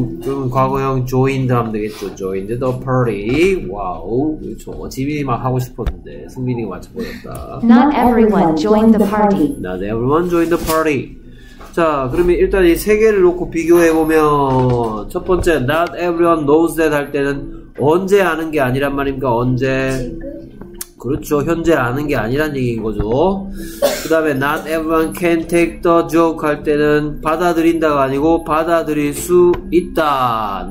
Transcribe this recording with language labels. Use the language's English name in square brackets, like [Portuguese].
[Korean] 그럼 과거형 joined 하면 되겠죠. [English] joined the party. [Korean] 와우. 그렇죠. 지민이 막 하고 싶었는데 승민이가 맞춰버렸다. [English] Not everyone joined the party. Not everyone joined the party. [Korean] 자, 그러면 일단 이 세 개를 놓고 비교해보면 첫 번째, [English] not everyone knows that [Korean] 할 때는 언제 아는 게 아니란 말입니까? 언제? 그렇죠. 현재 아는 게 아니란 얘기인 거죠. 그 다음에 [English] not everyone can take the joke [Korean] 할 때는 받아들인다가 아니고 받아들일 수 있다.